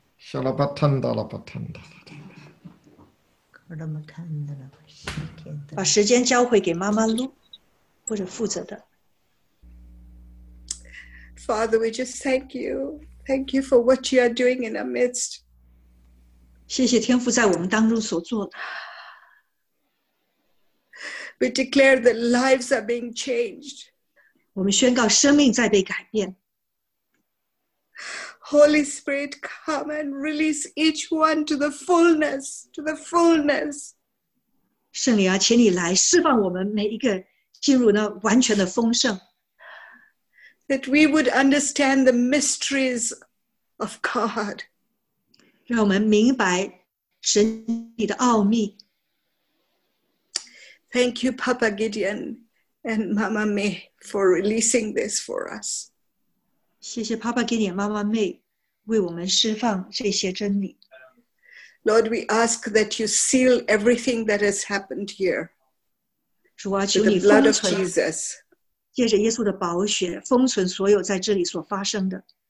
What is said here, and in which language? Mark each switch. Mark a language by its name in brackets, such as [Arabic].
[English] Father, we just thank you. Thank you for what you are doing in our midst. [Chinese] 谢谢天父在我们当中所做的。 [English] We declare that lives are being changed. [Chinese] 我们宣告生命在被改变。 [English] Holy Spirit, come and release each one to the fullness, to the fullness. [Chinese] 圣灵啊, 请你来释放我们每一个进入那完全的丰盛。 [English] That we would understand the mysteries of God. [Chinese] 让我们明白神你的奥秘。 [English] Thank you, Papa Gideon and Mama May, for releasing this for us. [Chinese] 谢谢Papa Gideon, Mama May。为我们释放这些真理。 [English] Lord, we ask that you seal everything that has happened here. [Chinese] 主啊, [English] with the blood of Jesus. [Chinese] 借着耶稣的宝血, 封存所有在这里所发生的。